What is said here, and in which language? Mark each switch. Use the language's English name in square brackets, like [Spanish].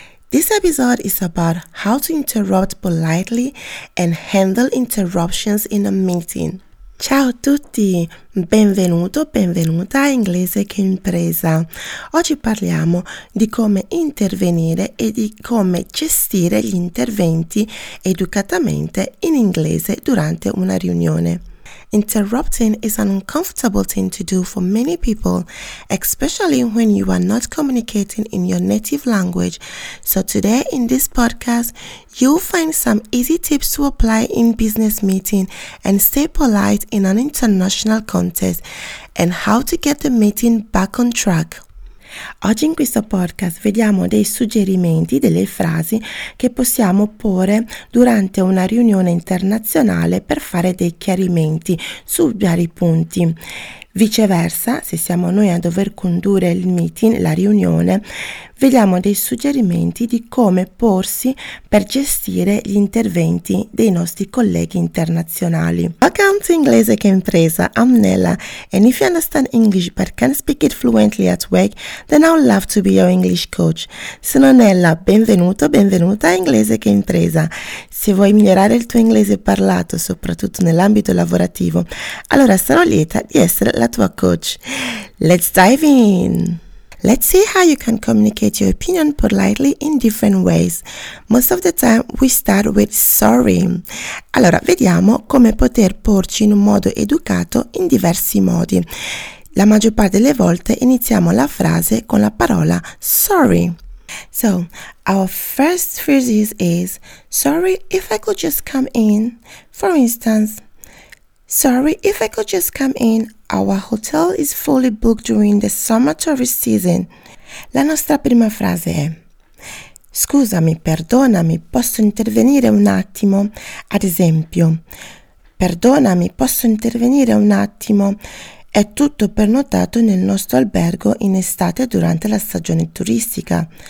[English] This episode is about how to interrupt politely and handle interruptions in a meeting. [Italian] Ciao a tutti, benvenuto, benvenuta a Inglese che Impresa. Oggi parliamo di come intervenire e di come gestire gli interventi educatamente in inglese durante una riunione. [English] Interrupting is an uncomfortable thing to do for many people, especially when you are not communicating in your native language. So today in this podcast, you'll find some easy tips to apply in business meeting and stay polite in an international context, and how to get the meeting back on track. [Italian] Oggi in questo podcast vediamo dei suggerimenti, delle frasi che possiamo porre durante una riunione internazionale per fare dei chiarimenti su vari punti. Viceversa, se siamo noi a dover condurre il meeting, la riunione, vediamo dei suggerimenti di come porsi per gestire gli interventi dei nostri colleghi internazionali. [English] Welcome to Inglese che Impresa, I'm Nella, and if you understand English but can't speak it fluently at work, then I'd love to be your English coach. [Italian] Sono Nella, benvenuto, benvenuta a Inglese che Impresa. Se vuoi migliorare il tuo inglese parlato, soprattutto nell'ambito lavorativo, allora sarò lieta di essere la tua coach. [English] Let's dive in! Let's see how you can communicate your opinion politely in different ways. Most of the time we start with sorry. [Italian] Allora, vediamo come poter porci in un modo educato in diversi modi. La maggior parte delle volte iniziamo la frase con la parola sorry. [English] So, our first phrase is, sorry if I could just come in. For instance, sorry if I could just come in. Our hotel is fully booked during the summer tourist season. [Italian] La nostra prima frase è, scusami, perdonami, posso intervenire un attimo? Ad esempio, perdonami, posso intervenire un attimo? È tutto prenotato nel nostro albergo in estate durante la stagione turistica.